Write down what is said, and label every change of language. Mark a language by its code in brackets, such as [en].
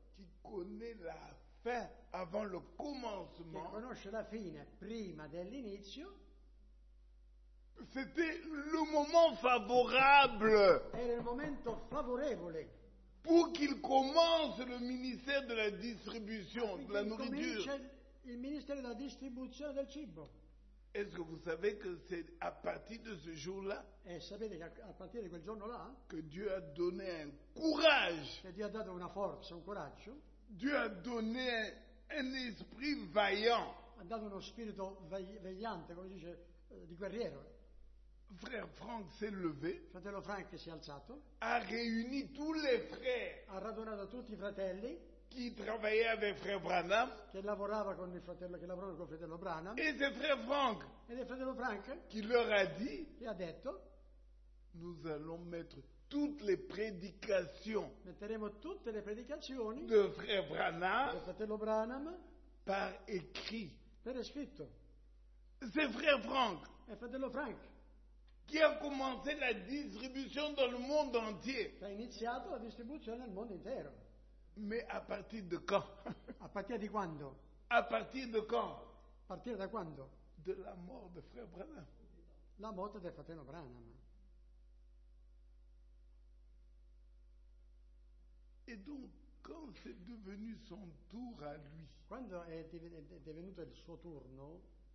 [fr] Qui connaît la fin avant le commencement. [it] Che conosce la fine prima dell'inizio. [fr] C'était le moment favorable. [it] Era il momento favorevole. [fr] Pour qu'il commence le ministère de la distribution de la nourriture. [it] Il ministero della distribuzione del cibo. [fr] Est-ce que vous savez que c'est à partir de ce jour-là? [it] Et sapete che a partire da quel giorno-là? [fr] Que Dieu a donné un courage. [it] Che Dio ha dato una forza, un coraggio. [fr] Dieu a donné un esprit vaillant. [it] Ha dato uno spirito vegliante, come dice, di guerriero. [fr] Frère Franck s'est levé. [it] Fratello Frank si è alzato. [fr] A réuni tous les frères. [it] Ha radunato tutti i fratelli. [fr] Qui travaillait avec frère Branham. [it] Che lavorava con il fratello, che lavorava con fratello Branham. [fr] Et c'est frère Franck. [it] Ed è fratello Frank. [fr] Qui leur a dit. [it] Che ha detto. [fr] Nous allons mettre toutes les prédications. [it] Metteremo tutte le predicazioni. [fr] De frère Branham. [it] Del fratello Branham. [fr] Par écrit. [it] Per scritto. [fr] C'est frère Franck. [it] E fratello Frank. [fr] Qui a commencé la distribution dans le monde entier. [it] Ha iniziato la distribuzione nel mondo intero. [fr] Mais à partir de quand? [it] A partir di quando? [fr] À partir de quand? [it] A partir da quando? [fr] De la mort de frère Branham. [it] La morte del fratello Branham. [fr] Et donc, quand c'est devenu son tour à lui? [it] Quando è divenuto il suo turno?